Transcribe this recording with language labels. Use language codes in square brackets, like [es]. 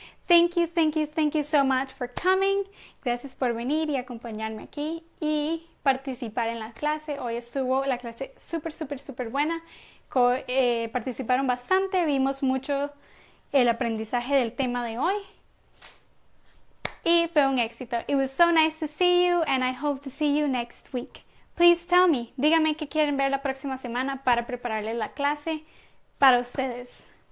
[en] Thank you, thank you, thank you so much for coming. [es] Gracias por venir y acompañarme aquí y participar en la clase. Hoy estuvo la clase súper, súper, súper buena. Participaron bastante, vimos mucho el aprendizaje del tema de hoy. Y fue un éxito. [en] It was so nice to see you and I hope to see you next week. Please tell me, [es] dígame qué quieren ver la próxima semana para prepararles la clase para ustedes.